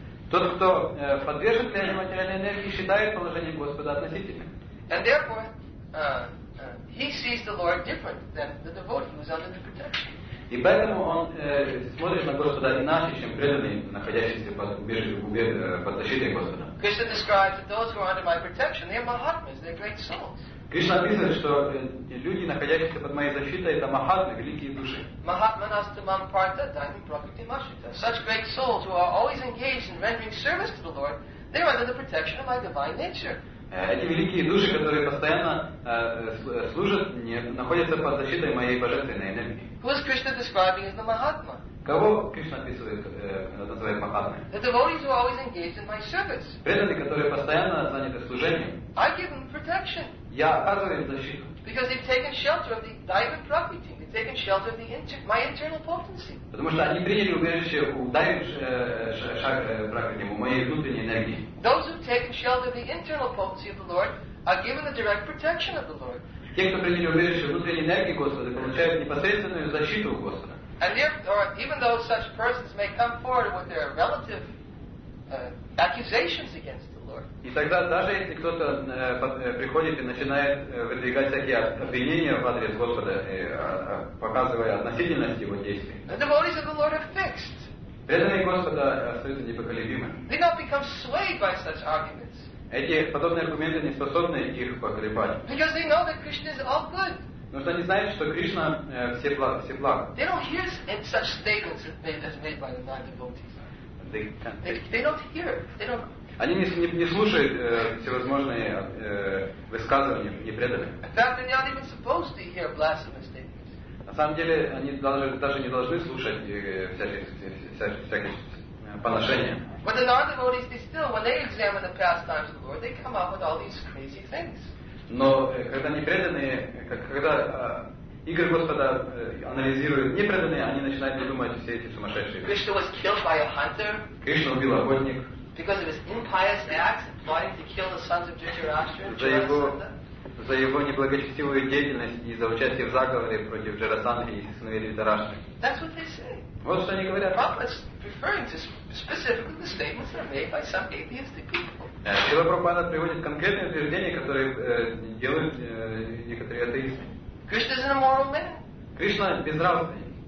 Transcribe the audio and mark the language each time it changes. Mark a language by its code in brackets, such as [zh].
[ru] Тот, кто подвержен влиянию материальной энергии, считает положение Господа относительным. [en] And therefore, he sees the Lord different than the devotee who is under the protection. [ru] И поэтому он смотрит на Господа иначе, чем преданный, находящийся под защитой Господа. [en] Krishna describes that those who are under my protection, they are mahatmas, they are great souls. [ru] Кришна описывает, что люди, находящиеся под моей защитой, это махатмы, великие души. [sa] Mahatmanastamam partha dhani prakriti mashita. [en] Such great souls who are always engaged in rendering service to the Lord, they are under the protection of my divine nature. [ru] Эти великие души, которые постоянно служат мне, находятся под защитой моей божественной энергии. [en] Who is Krishna describing as the Mahatma? [ru] Кого Кришна описывает, называет махатмой? [en] The devotees who are always engaged in my service. [ru] Преданные, которые постоянно заняты служением. [en] I give them protection. [ru] Я оказываю им защиту. [en] Because they've taken shelter of the divine prakriti. They've taken shelter of my internal potency. [ru] Потому что они приняли убежище у дайвы прокрити, у моей внутренней энергии. [en] Those who've taken shelter of the internal potency of the Lord are given the direct protection of the Lord. [ru] Те, кто приняли убежище внутренней энергии Господа, получают непосредственную защиту у Господа. [en] And even though such persons may come forward with their relative accusations against the Lord. [ru] И тогда даже если кто-то приходит и начинает выдвигать всякие обвинения в адрес Господа, показывая относительность его действий. [en] The devotees of the Lord are fixed. [ru] Преданные Господа остаются непоколебимы. [en] They not become swayed by such arguments. [ru] Эти подобные аргументы не способны их поколебать. [en] Because they know that Krishna is all good. [ru] Но что они знают, что Кришна всеблаг. [en] They don't hear such statements as made by the non-devotees. They don't hear. They don't. [ru] Они не слушают всевозможные высказывания непреданных. [en] In fact, they're not even supposed to hear blasphemous statements. [ru] На самом деле, они даже не должны слушать всякие поношения. [en] But the non-devotees, they still, when they examine the pastimes of the Lord, they come up with all these crazy things. [ru] Но когда непреданные, когда Игорь Господа анализирует непреданные, они начинают думать все эти сумасшедшие. [en] Krishna was killed by a hunter. [ru] Кришна убил охотник. [en] Because of his impious acts, plotting to kill the sons of Dhritarashtra. [ru] За его неблагочестивую деятельность и за участие в заговоре против Джарасандхи и сыновей Дхритараштры. [en] That's what they say. [ru] Вот что они говорят. [en] Prabhupada's referring to specifically the statements that are made by some atheistic people. [ru] Шрила Прабхупада приводит конкретные утверждения, которые делают некоторые атеисты. [en] Krishna is an immoral man. [ru] Кришна безнравственный.